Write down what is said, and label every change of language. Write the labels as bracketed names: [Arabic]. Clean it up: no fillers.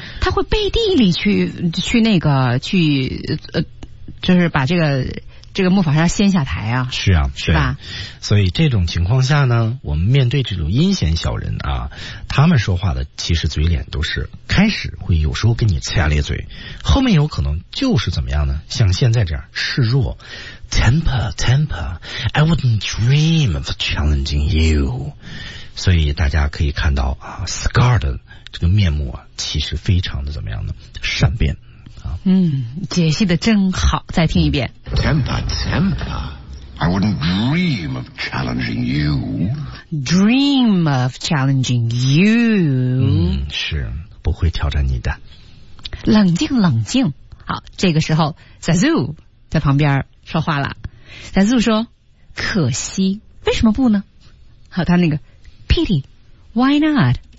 [Chinese] 他会背地里去那个去就是把这个木法沙掀下台啊，是啊，是吧？所以这种情况下呢，我们面对这种阴险小人啊，他们说话的其实嘴脸都是开始会有时候跟你呲牙咧嘴，后面有可能就是怎么样呢？像现在这样示弱 ， [English] temper temper， I wouldn't dream of challenging you。 [Chinese] 所以大家可以看到啊 ，Scar 的这个面目啊，其实非常的怎么样呢？善变。嗯，解析的真好，再听一遍。 [English] Temper, temper, I wouldn't dream of challenging you. Dream of challenging you. [Chinese] 嗯，是不会挑战你的。冷静，冷静。好，这个时候 ，Zazu 在旁边说话了。 Zazu 说：“可惜，为什么不呢？” 好，他那个 [English] pity, why not?